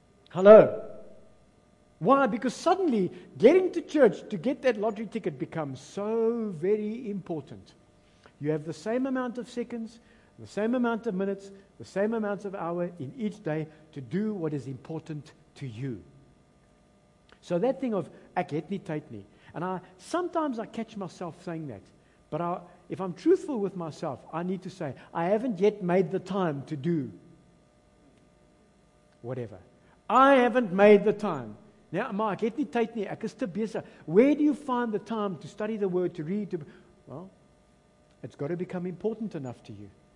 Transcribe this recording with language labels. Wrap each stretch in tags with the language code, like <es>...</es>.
<en>Hello. Why? Because suddenly getting to church to get that lottery ticket becomes so very important. You have the same amount of seconds, the same amount of minutes, the same amount of hour in each day to do what is important to you. So that thing of</en> <af>ek het nie tyd nie.</af> <en>And I sometimes catch myself saying that, but if I'm truthful with myself, I need to say, I haven't yet made the time to do whatever. I haven't made the time. Now, Mark, get me tight knee.</en> <af>Ek is te besig.</af> <en>Where do you find the time to study the word, to read? Well, it's got to become important enough to you.</en>